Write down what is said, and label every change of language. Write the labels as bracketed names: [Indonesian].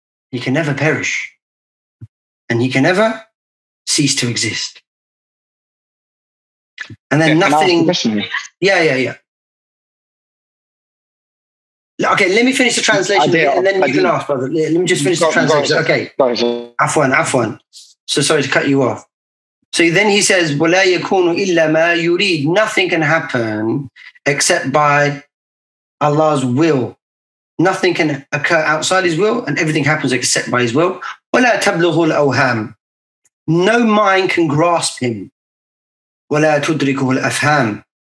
[English] He can never perish. And he can never cease to exist. And then nothing. Yeah. Okay, let me finish the translation and then you can ask, brother. Let me just finish the translation. Okay. Afwan. So sorry to cut you off. So then he says, [Arabic] وَلَا يَكُونُ إِلَّا مَا يُرِيدُ. [English] Nothing can happen except by Allah's will. Nothing can occur outside his will, and everything happens except by his will. [Arabic] وَلَا تَبْلُغُ الْأَوْهَامُ. [English] No mind can grasp him. [Arabic] وَلَا تُدْرِكُهُ الْأَفْهَامُ.